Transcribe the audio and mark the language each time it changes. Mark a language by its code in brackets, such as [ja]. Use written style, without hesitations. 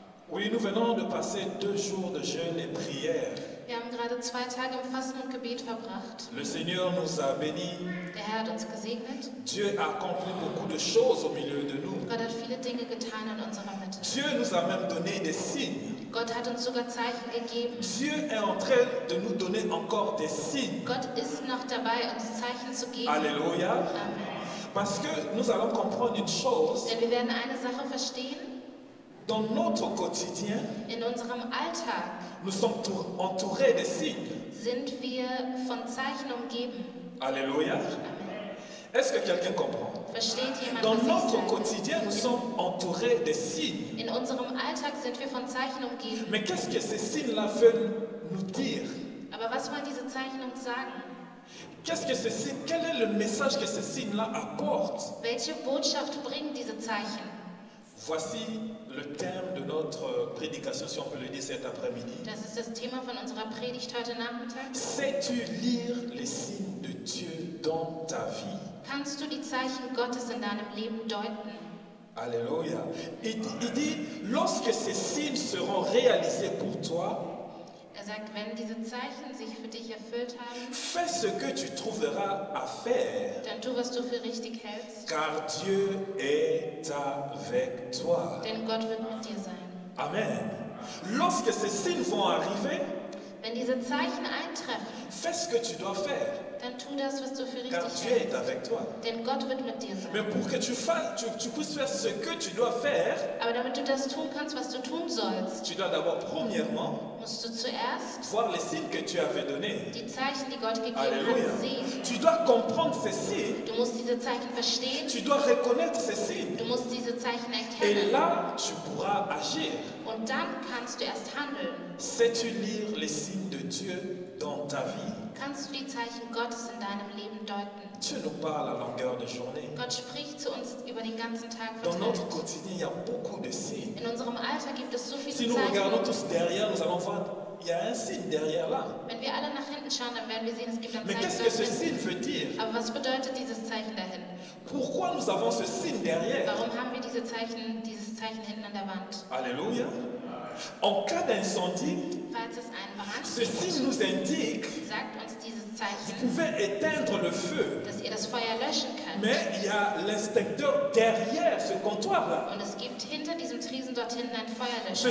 [fr] Oui, nous venons de passer deux jours de jeûne et prière. [de] Wir haben gerade zwei Tage im Fasten und Gebet verbracht. [fr] Le Seigneur nous a bénis. [de] Der Herr hat uns gesegnet. [fr] Dieu a accompli beaucoup de choses au milieu de nous. [de] Gott hat viele Dinge getan in unserer Mitte. [fr] Dieu nous a même donné des signes. [de] Gott hat uns sogar Zeichen gegeben. [fr] Dieu est en train de nous donner encore des signes. [de] Gott ist noch dabei, uns Zeichen zu geben. [fr] Alléluia. Parce que nous allons comprendre une chose. [de] Denn wir werden eine Sache verstehen. [fr] Dans notre quotidien, [de] in unserem Alltag, [fr] nous sommes entourés des signes. [de] Sind wir von Zeichen umgeben. [fr] Alléluia. Est-ce que quelqu'un comprend? [de] Versteht jemand, [fr] dans notre quotidien, nous sommes entourés de signes. [de] In unserem Alltag sind wir von Zeichen umgeben. [fr] Mais qu'est-ce que ces signes-là veulent nous dire? [de] Aber was wollen diese Zeichen uns sagen? [fr] Qu'est-ce que ces signes, quel est le message que ces signes-là apportent? [de] Welche Botschaft bringen diese Zeichen? [fr] Voici le thème de notre prédication, si on peut le dire, cet après-midi. [de] Das ist das Thema von unserer Predigt heute Nachmittag. [fr] Sais-tu lire les signes de Dieu dans ta vie? [de] Kannst du die Zeichen Gottes in deinem Leben deuten? [fr] Alléluia. Il dit, lorsque ces signes seront réalisés pour toi, [de] er sagt, wenn diese Zeichen sich für dich erfüllt haben, [fr] fais ce que tu trouveras à faire, [de] dann tu, was du für richtig hältst, [fr] car Dieu est avec toi. [de] Denn Gott wird mit dir sein. [fr] Amen. Lorsque ces signes vont arriver, [de] wenn diese Zeichen eintreffen, [fr] fais ce que tu dois faire, [de] dann tu das, was du für [fr] car [de] richtig [fr] Dieu [de] hältst, [fr] est avec toi. [de] Denn Gott wird mit dir sein. [fr] Mais pour que tu fasses, tu puisses faire ce que tu dois faire, [de] aber damit du das tun kannst, was du tun sollst, [fr] tu dois d'abord premièrement [de] musst du zuerst [fr] voir les signes que tu avais donné. [de] Die Zeichen, die Gott gegeben Alleluia. Hat, sehen. [fr] Tu dois comprendre ces signes. [de] Du musst diese Zeichen verstehen. [fr] Tu dois reconnaître ces signes. [de] Du musst diese Zeichen erkennen. [fr] Et là, tu pourras agir. [de] Und dann kannst du erst handeln. [fr] Sais-tu lire les signes de Dieu dans ta vie? [de] Kannst du die Zeichen Gottes in deinem Leben deuten? [fr] Dieu nous parle à longueur de journée. [de] Gott spricht zu uns über den ganzen Tag. [fr] Dans notre quotidien, il y a beaucoup de signes. [de] In unserem Alltag gibt es so viele Zeichen. [fr] Si nous regardons tous derrière, nous allons voir, il y a un signe derrière là. [de] Wenn wir alle nach hinten schauen, dann werden wir sehen, es gibt ein Zeichen. [fr] Mais qu'est-ce que ce signe veut dire? [de] Aber was bedeutet dieses Zeichen dahin? [fr] Pourquoi nous avons ce signe derrière? [de] Warum haben wir diese Zeichen, dieses Zeichen hinten an der Wand? [fr] Alléluia. En cas d'incendie, [de] falls es einen Brand gibt, [fr] ce signe nous indique, [de] sagt uns dieses Zeichen, [fr] vous pouvez éteindre le feu, [de] dass ihr das Feuer löschen könnt. [fr] Mais il y a l'inspecteur derrière ce comptoir-là. [de] Und es gibt hinter diesem Tresen dort hinten ein Feuerlöscher.